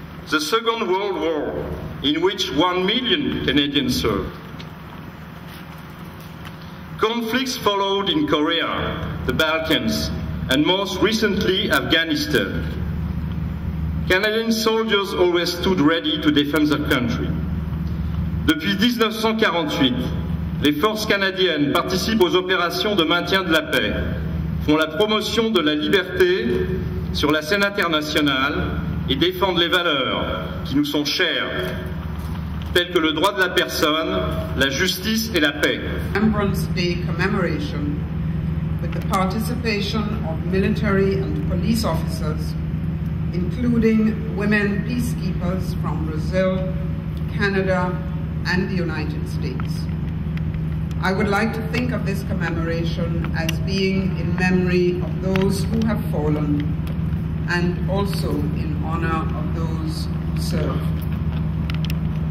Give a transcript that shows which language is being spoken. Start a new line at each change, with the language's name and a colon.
English: The Second World War, in which 1 million Canadians served. Conflicts followed in Korea, the Balkans, and most recently Afghanistan. Canadian soldiers always stood ready to defend their country.
French: Depuis 1948, les forces canadiennes participent aux opérations de maintien de la paix, font la promotion de la liberté sur la scène internationale et défendent les valeurs qui nous sont chères, telles que le droit de la personne, la justice et la paix.
English: Remembrance Day commemoration with the participation of military and police officers, including women peacekeepers from Brazil, Canada, and the United States. I would like to think of this commemoration as being in memory of those who have fallen and also in honor of those who served.